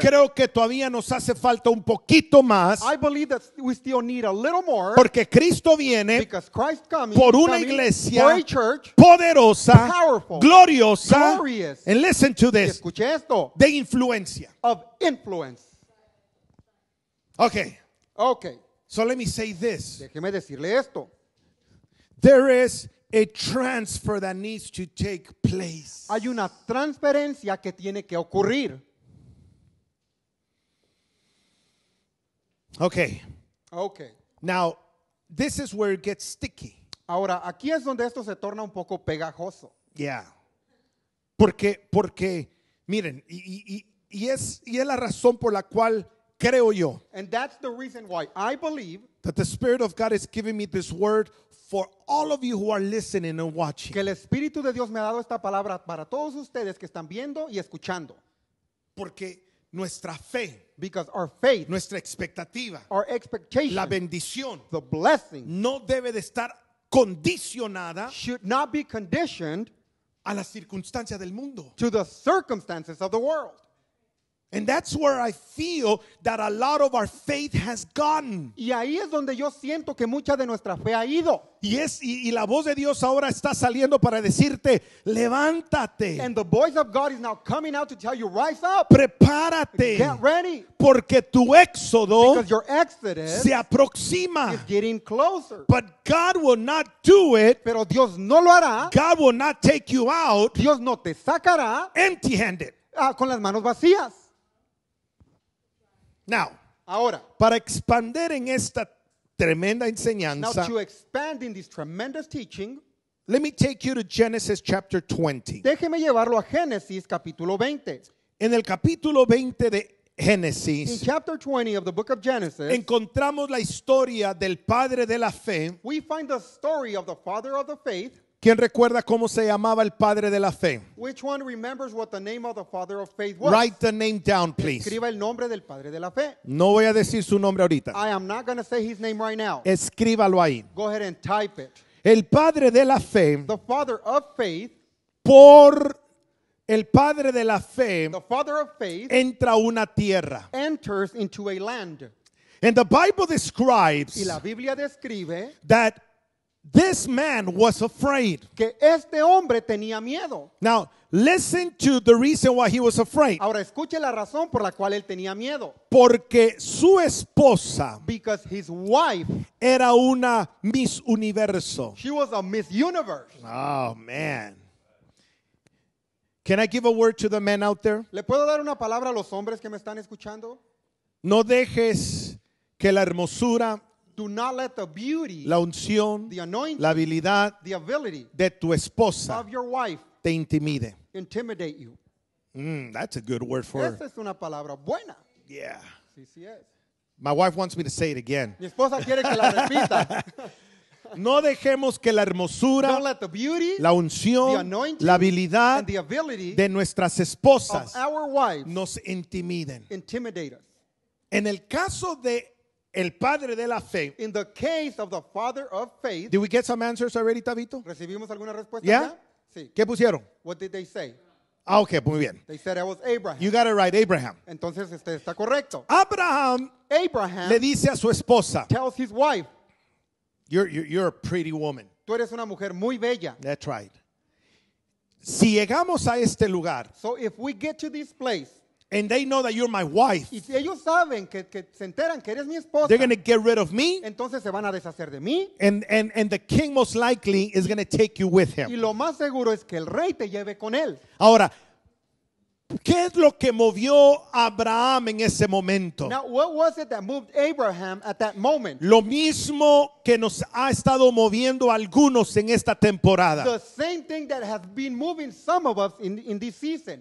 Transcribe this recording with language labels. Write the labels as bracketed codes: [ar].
[es] Creo que todavía nos hace falta un poquito más. [en] I believe that we still need a little more. [es] Porque Cristo viene. [en] Because Christ coming. [es] Por una iglesia. [en] For a church. [es] Poderosa. [en] Powerful. [es] Gloriosa. [en] Glorious. And listen to this. [es] Escuche esto. De influencia. [en] Of influence. Okay. [es] Okay. [en] So let me say this. [es] Déjeme decirle esto. [en] There is a transfer that needs to take place. [es] Hay una transferencia que tiene que ocurrir. [en] Okay. [es] Okay. [en] Now, this is where it gets sticky. [es] Ahora, aquí es donde esto se torna un poco pegajoso. [en] Yeah. [es] Porque miren, y es la razón por la cual creo yo. [en] And that's the reason why I believe that the Spirit of God is giving me this word for all of you who are listening and watching. [es] Que el Espíritu de Dios me ha dado esta palabra para todos ustedes que están viendo y escuchando. Porque nuestra fe, [en] because our faith, [es] nuestra expectativa, [en] our expectation, [es] la bendición, [en] the blessing, [es] no debe de estar condicionada, [en] should not be conditioned, [es] a las circunstancias del mundo, [en] to the circumstances of the world. And that's where I feel that a lot of our faith has gone. [es] Y ahí es donde yo siento que mucha de nuestra fe ha ido. Y la voz de Dios ahora está saliendo para decirte, levántate. [en] And the voice of God is now coming out to tell you, rise up. [es] Prepárate. [en] Get ready. [es] Porque tu éxodo, [en] because your exodus, [es] se aproxima. [en] Is getting closer. But God will not do it. [es] Pero Dios no lo hará. [en] God will not take you out. [es] Dios no te sacará. [en] Empty-handed. [es] Con las manos vacías. [en] Now, [es] ahora, para expandir en esta tremenda enseñanza, [en] now to expand in this tremendous teaching, let me take you to Genesis chapter 20. [es] Déjeme llevarlo a Génesis capítulo 20. En el capítulo 20 de Génesis, [en] in chapter 20 of the book of Genesis, [es] encontramos la historia del padre de la fe. [en] We find the story of the father of the faith. [es] ¿Quién recuerda cómo se llamaba el padre de la fe? [en] Which one remembers what the name of the father of faith was? Write the name down, please. [es] Escriba el nombre del padre de la fe. No voy a decir su nombre ahorita. [en] I am not going to say his name right now. [es] Escríbalo ahí. [en] Go ahead and type it. [es] El padre de la fe. [en] The father of faith. [es] Por el padre de la fe. [en] The father of faith. [es] Entra una tierra. [en] Enters into a land. And the Bible describes. [es] Y la Biblia describe. [en] That This man was afraid. [es] Que este hombre tenía miedo. [en] Now, listen to the reason why he was afraid. [es] Ahora escuche la razón por la cual él tenía miedo. Porque su esposa, [en] because his wife, [es] era una Miss Universo. [en] She was a Miss Universe. Oh man. Can I give a word to the men out there? [es] ¿Le puedo dar una palabra a los hombres que me están escuchando? No dejes que la hermosura, [en] do not let the beauty, [es] la unción, [en] the anointing, [es] la habilidad, [en] the ability, [es] de tu esposa, [en] of your wife, [es] te intimide. [en] Intimidate you. That's a good word for [es] her. Esa es una palabra buena. [en] Yeah. [es] Sí, sí es. [en] My wife wants me to say it again. [es] Mi esposa quiere que la repita. No dejemos que la hermosura, [en] don't let the beauty, [es] la unción, [en] the anointing, [es] la habilidad, [en] and the ability, [es] de nuestras esposas, [en] of our wives, [es] nos intimiden. [en] Intimidate us. [es] En el caso de el padre de la fe, [en] in the case of the father of faith, did we get some answers already, Tabito? [es] ¿Recibimos alguna respuesta? [en] Yeah? [es] Sí. ¿Qué pusieron? [en] What did they say? [es] Ah, okay, muy bien. [en] They said it was Abraham. You got it right, Abraham. [es] Entonces, este está correcto. Abraham, [en] Abraham [es] le dice a su esposa, [en] tells his wife, you're a pretty woman. [es] Tú eres una mujer muy bella. [en] That's right. [es] Si llegamos a este lugar, [en] so if we get to this place, and they know that you're my wife, [es] y si ellos saben que se enteran que eres mi esposa, [en] they're going to get rid of me. [es] Entonces se van a deshacer de mí. [en] And the king most likely is going to take you with him. [es] Y lo más seguro es que el rey te lleve con él. Ahora, ¿qué es lo que movió Abraham en ese momento? [en] Now, what was it that moved Abraham at that moment? [es] Lo mismo que nos ha estado moviendo algunos en esta temporada. [en] The same thing that has been moving some of us in this season.